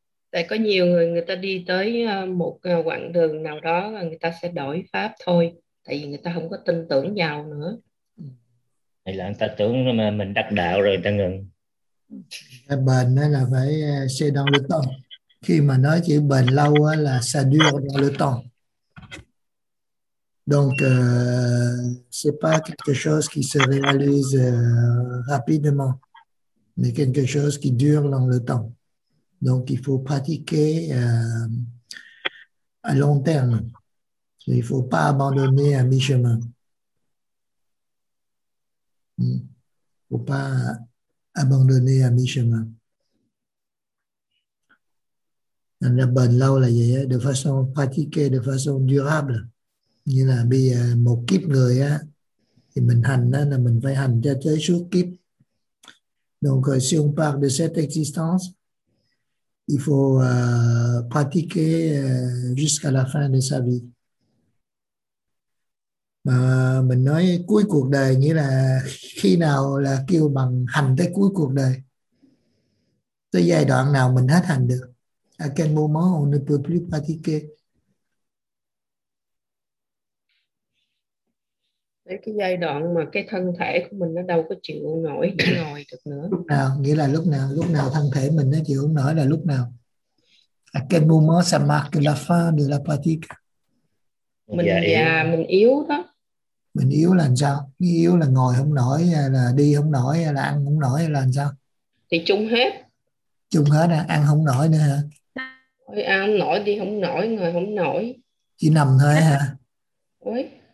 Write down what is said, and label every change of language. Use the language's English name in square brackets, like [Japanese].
[Vietnamese] Tại có nhiều người ta đi tới một quãng đường nào đó là người ta sẽ đổi pháp thôi, tại vì người ta không có tin tưởng vào nữa. Hay là người ta tưởng mà mình đắc đạo rồi người ta ngừng. Bền là phải xe [French] dans le temps. [Vietnamese] Khi mà nói chữ bền lâu là [French] ça dure dans le temps. Donc c'est pas quelque chose qui se réalise rapidement, mais quelque chose qui dure dans le temps. Donc il faut pratiquer à long terme. Il faut pas abandonner à mi-chemin. Faut pas abandonner à mi-chemin. Dans la bonne [Vietnamese] là vậy, [French] de façon pratiquée, de façon durable. [Vietnamese] Như là bây giờ một kiếp người á thì mình hành á là mình phải hành cho tới suốt kiếp. [French] Donc si on parle de cette existence, il faut pratiquer jusqu'à la fin de sa vie. [Vietnamese] Mà mình nói cuối cuộc đời nghĩa là khi nào là kêu bằng hành tới cuối cuộc đời. Tới giai đoạn nào mình hết hành được. [French] À quel moment on ne peut plus pratiquer. [Vietnamese] Đấy, cái giai đoạn mà cái thân thể của mình nó đâu có chịu nổi ngồi được nữa. Lúc nào, nghĩa là lúc nào thân thể mình nó chịu không nổi là lúc nào? [French] À quel moment ça marque la fin de la pratique? [Vietnamese] Mình già, mình yếu đó. Mình yếu là sao? Yếu là ngồi không nổi, là đi không nổi, là ăn không nổi, là sao? Thì chung hết. Chung hết à? Ăn không nổi nữa hả? Ôi, ăn không nổi, đi không nổi, ngồi không nổi. Chỉ nằm thôi hả? Ôi.